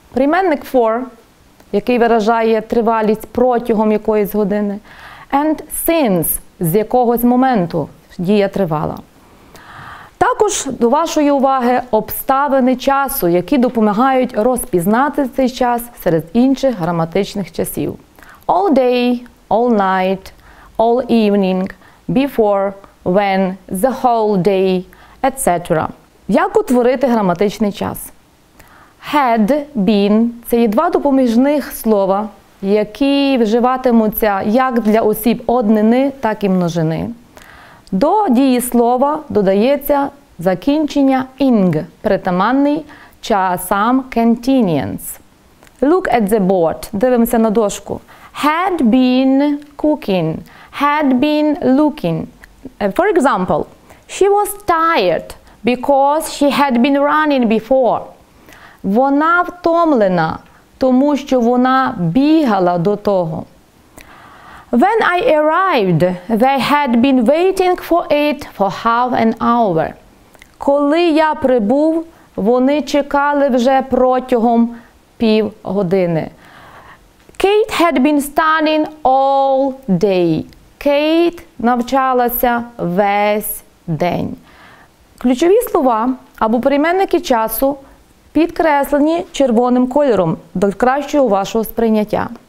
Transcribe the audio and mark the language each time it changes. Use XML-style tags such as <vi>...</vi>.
<uk>Прийменник for, який виражає тривалість протягом якоїсь години,</uk> <en>and since,</en> <uk>з якогось моменту дія тривала. Також до вашої уваги обставини часу, які допомагають розпізнати цей час серед інших граматичних часів.</uk> <en>All day, all night, all evening, before, when, the whole day, etc.</en> <uk>Як утворити граматичний час? Had, been – це є два допоміжних слова, які вживатимуться як для осіб однини, так і множини. До дії слова додається закінчення ing – притаманний часам continuous.</uk> <en>Look at the board –</en> <uk>дивимося на дошку.</uk> <en>Had been cooking, had been looking. For example, she was tired because she had been running before.</en> <uk>Вона втомлена, тому що вона бігала до того.</uk> <en>When I arrived, they had been waiting for it for half an hour.</en> <uk>Коли я прибув, вони чекали вже протягом півгодини.</uk> <en>Kate had been studying all day.</en> <uk>Kate навчалася весь день. Ключові слова або прийменники часу підкреслені червоним кольором до кращого вашого сприйняття.</uk>